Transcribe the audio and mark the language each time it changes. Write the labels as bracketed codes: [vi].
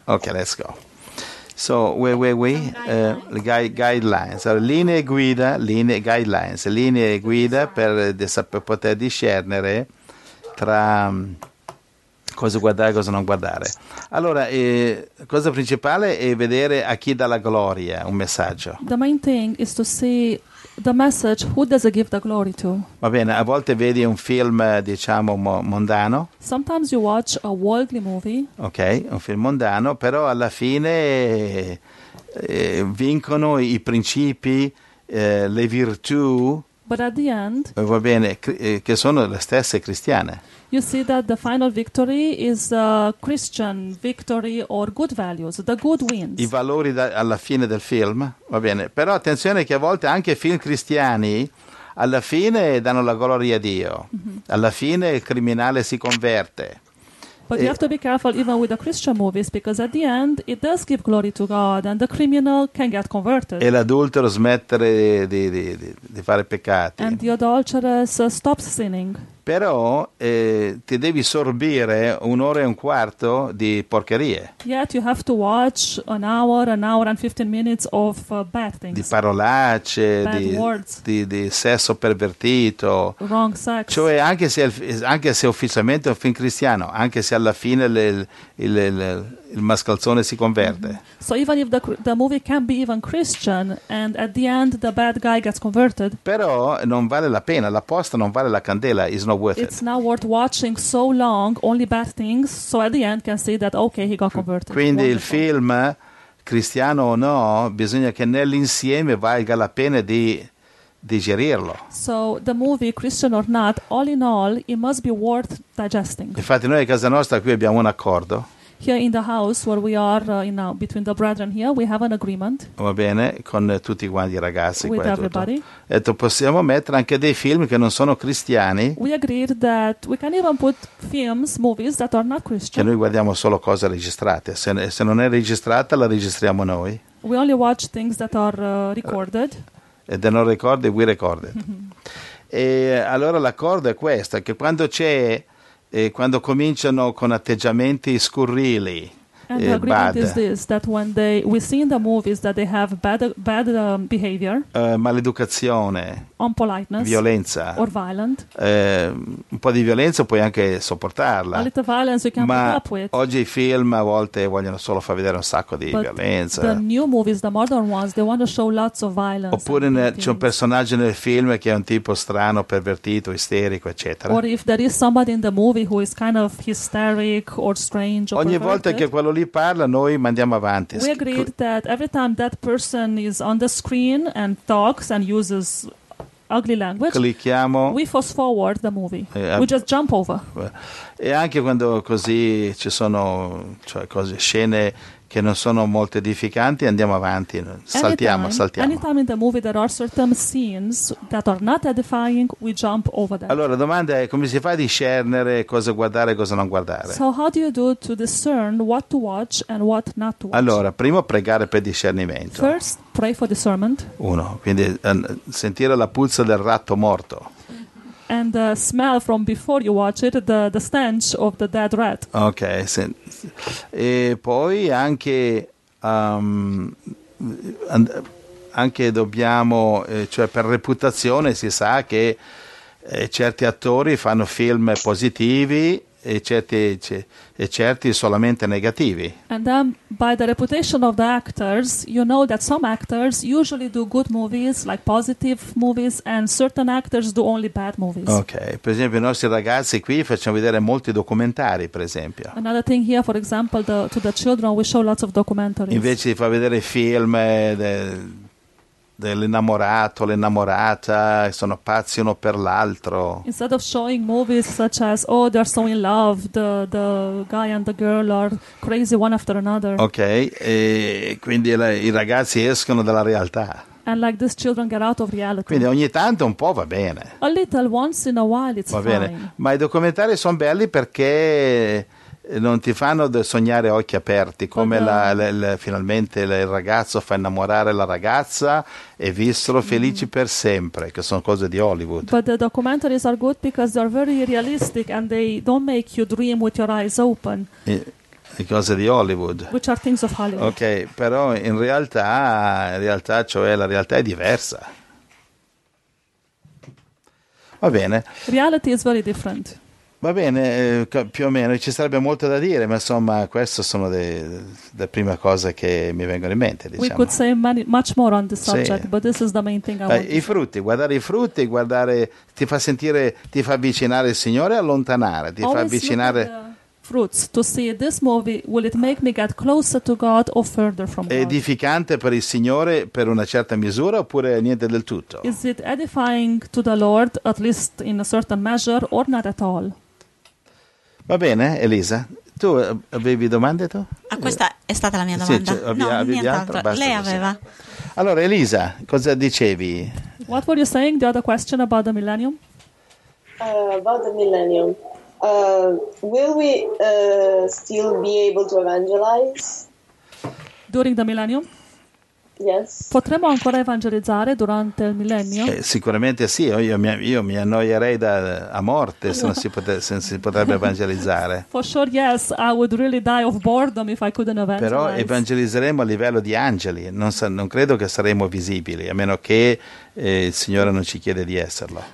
[en] Okay, let's go. So, where we? Guidelines. [it] So, linee guida per poter discernere tra cosa guardare e cosa non guardare. Allora, cosa principale è vedere a chi dà la gloria un messaggio. [en] The main thing is to see the message, who does it give the glory to? [it] Va bene, a volte vedi un film, diciamo, mondano. [en] Sometimes you watch a worldly movie. [it] Ok, un film mondano, però alla fine vincono i principi, le virtù. [en] But at the end, [it] va bene, che sono le stesse cristiane. [en] You see that the final victory is a Christian victory or good values. The good wins. [it] I valori alla fine del film, va bene. Però attenzione che a volte anche film cristiani alla fine danno la gloria a Dio. Mm-hmm. Alla fine il criminale si converte. [en] But you have to be careful even with the Christian movies, because at the end it does give glory to God and the criminal can get converted. [it] E l'adultero smettere di fare peccati. [en] And the adulteress stops sinning. [it] Però ti devi sorbire un'ora e un quarto di porcherie. [en] Yet you have to watch an hour and 15 minutes of bad things. [it] Di parolacce, [en] bad words. [it] Di sesso pervertito. [en] Wrong sex. [it] Cioè anche se ufficialmente è un film cristiano, anche se alla fine il mascalzone si converte. Mm-hmm. [en] So even if the movie can be even Christian and at the end the bad guy gets converted. [it] Però non vale la pena, la posta non vale la candela, [en] is not worth it. It's not worth watching so long only bad things, so at the end can see that okay, he got converted. [it] Quindi il film, cristiano o no, bisogna che nell'insieme valga la pena di digerirlo. [en] So the movie, Christian or not, all in all, it must be worth digesting. [it] Infatti noi a casa nostra qui abbiamo un accordo. [en] Here in the house where we are now, between the brethren here, we have an agreement. [it] Va bene, con tutti quanti i ragazzi. [en] With everybody. [it] Tutto. E possiamo mettere anche dei film che non sono cristiani. [en] We agreed that we can even put films, movies that are not Christian. [it] Che noi guardiamo solo cose registrate. Se non è registrata, la registriamo noi. [en] We only watch things that are recorded. [it] E se non ricordi, [en] we record it. [it] E allora l'accordo è questo, che quando c'è... E quando cominciano con atteggiamenti scurrili, [en] behavior, [it] maleducazione, [en] unpoliteness, [it] violenza, [en] or violent, [it] un po' di violenza puoi anche sopportarla, [en] a little violence you can [it] ma [en] up with. [it] Oggi i film a volte vogliono solo far vedere un sacco di violenza. [en] The new movies, the modern ones, they want to show lots of violence. [it] Oppure c'è un personaggio nel film che è un tipo strano, pervertito, isterico, eccetera. [en] Or if there is somebody in the movie who is kind of hysteric or strange or [it] ogni [en] perverted, [it] volta che quello lì parla noi mandiamo avanti. [en] We agreed that every time that person is on the screen and talks and uses ugly language, [it] clicchiamo, [en] we fast forward the movie. We just jump over. [it] E anche quando così ci sono, cioè, cose, scene che non sono molto edificanti, andiamo avanti, saltiamo. [en] Anytime in the movie there are certain scenes that are not edifying, we jump over them. [it] Allora, domanda è: come si fa a discernere cosa guardare e cosa non guardare? [en] So how do you do to discern what to watch and what not to watch? [it] Allora, primo pregare per discernimento. [en] First, pray for discernment. [it] Uno, quindi sentire la puzza del ratto morto. [en] And the smell from before you watch it, the stench of the dead rat. [it] Okay, e poi anche anche dobbiamo, cioè per reputazione si sa che certi attori fanno film positivi e certi solamente negativi. [en] And then by the reputation of the actors, you know that some actors usually do good movies, like positive movies, and certain actors do only bad movies. [it] Okay, per esempio i nostri ragazzi qui facciamo vedere molti documentari, per esempio. [en] Another thing here, for example, to the children we show lots of documentaries. [it] Invece di far vedere film dell'innamorato, l'innamorata, sono pazzi uno per l'altro. [en] Instead of showing movies such as "Oh, they're so in love," the guy and the girl are crazy one after another. [it] Ok, e quindi i ragazzi escono dalla realtà. [en] And like these children get out of reality. [it] Quindi ogni tanto un po' va bene. [en] A little, once in a while, it's [it] va bene. [en] Fine. [it] Ma i documentari sono belli perché non ti fanno sognare occhi aperti, come finalmente il ragazzo fa innamorare la ragazza e vissero felici per sempre, che sono cose di Hollywood. [en] But the documentaries are good because they are very realistic and they don't make you dream with your eyes open. [it] Le cose di Hollywood. [en] Which are things of Hollywood. [it] Ok, però in realtà, cioè la realtà è diversa. Va bene. [en] Reality is very different. [it] Va bene, più o meno, ci sarebbe molto da dire, ma insomma queste sono le prime cose che mi vengono in mente, diciamo. [en] We could say much more on the subject, [it] sì. [en] But this is the main thing I want. [it] I frutti, guardare i frutti, guardare, ti fa sentire, ti fa avvicinare il Signore e allontanare, ti [en] always [it] fa avvicinare [en] fruits to see this movie, will it make me get closer to God or further from God? [it] Edificante per il Signore per una certa misura oppure niente del tutto? [en] Is it edifying to the Lord, at least in a certain measure, or not at all? [it] Va bene, Elisa. Tu avevi domande tu? Ah, questa è stata la mia domanda. Sì, cioè, nient'altro. Basta, lei aveva. Allora, Elisa, cosa dicevi? [en] What were you saying, the other question about the millennium? About the millennium. Will we still be able to evangelize? During the millennium? Yes. [it] Potremmo ancora evangelizzare durante il millennio? Sicuramente sì, io mi annoierei a morte se non si potrebbe evangelizzare. [en] For sure, yes, I would really die of boredom if I couldn't evangelize. [it] Però evangelizzeremo a livello di angeli, non credo che saremo visibili, a meno che il Signore non ci chiede di esserlo.